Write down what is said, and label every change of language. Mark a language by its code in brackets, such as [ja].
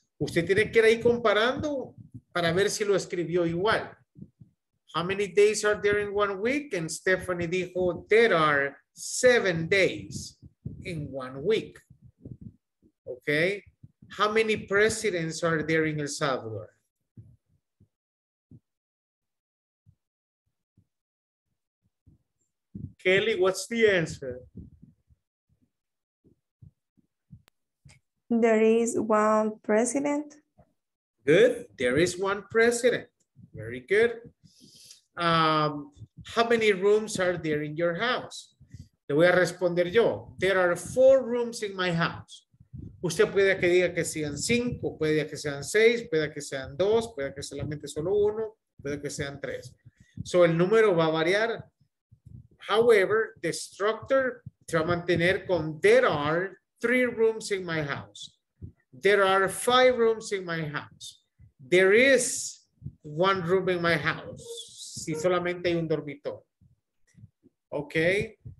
[es] Usted tiene que ir ahí comparando para ver si lo escribió igual. [en] How many days are there in 1 week? And Stephanie [es] dijo, [en] there are 7 days in 1 week. Okay. How many presidents are there in El Salvador? Kelly, what's the answer? There is 1 president. Good. There is 1 president. Very good. How many rooms are there in your house? [es] Le voy a responder yo. [en] There are 4 rooms in my house. [es] Usted puede que diga que sean 5, puede que sean 6, puede que sean 2, puede que solamente solo 1, puede que sean 3. So el número va a variar. [en] However, the structure [es] se va a mantener con [en] there are 3 rooms in my house. There are 5 rooms in my house. There is 1 room in my house. [es] Si solamente hay un dormitorio. Okay.